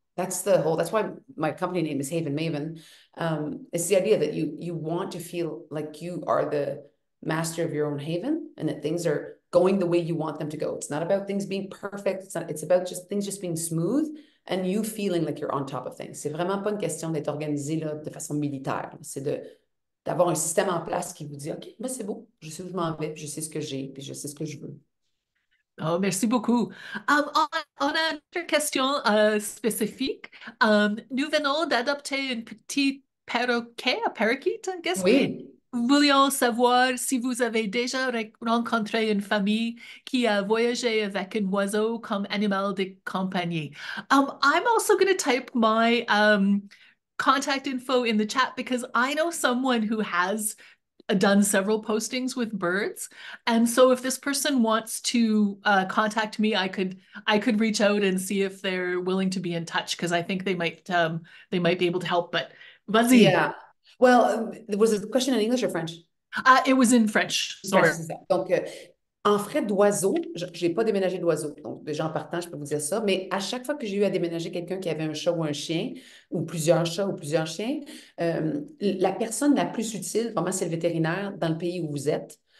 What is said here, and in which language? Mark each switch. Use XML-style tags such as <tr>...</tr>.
<en>That's why my company name is Haven Maven. It's the idea that you want to feel like you are the master of your own haven and that things are going the way you want them to go. It's not about things being perfect. It's about just things just being smooth and you feeling like you're on top of things.</en> <fr>C'est vraiment pas une question d'être organisé là, de façon militaire. C'est d'avoir un système en place qui vous dit, OK, ben c'est beau, je sais où je m'en vais, puis je sais ce que j'ai, puis je sais ce que je veux. Oh, merci beaucoup. On a une question spécifique. Nous venons d'adopter un petit perroquet, un parakeet,</fr> <en>I guess.</en> <fr>Oui. Voulions savoir si vous avez déjà rencontré une famille qui a voyagé avec un oiseau comme animal de compagnie.</fr> <en>I'm also going to type my contact info in the chat because I know someone who has done several postings with birds. And so if this person wants to contact me, I could reach out and see if they're willing to be in touch because I think they might be able to help. But Buzzy. Yeah. Well, was the question in English or French? It was in French. Sorry. Yes,</en> <fr>c'est ça. Donc, en frais d'oiseau, je n'ai pas déménagé d'oiseau. Donc, déjà en partant, je peux vous dire ça. Mais à chaque fois que j'ai eu à déménager quelqu'un qui avait un chat ou un chien, ou plusieurs chats ou plusieurs chiens, la personne la plus utile, vraiment, c'est le vétérinaire dans le pays où vous êtes.</fr>